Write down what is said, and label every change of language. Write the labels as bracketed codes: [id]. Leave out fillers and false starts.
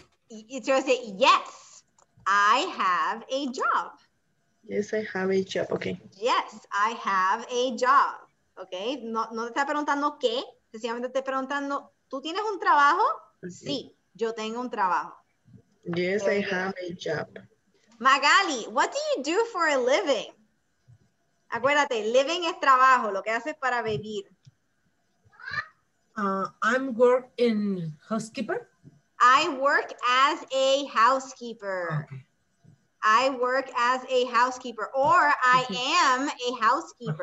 [en] You try to say yes, I have a job. Yes, I have a job. Okay. Yes, I have a job. Okay. [es] No te está preguntando qué, sencillamente te está preguntando, ¿tú tienes un trabajo? Okay. Sí, yo tengo un trabajo. [en] Yes, okay. I have a job. Magali, what do you do for a living? [es] Acuérdate, living es trabajo, lo que haces para vivir. [en] I'm work in housekeeper. I work as a housekeeper. Okay. I work as a housekeeper. Or I am a housekeeper.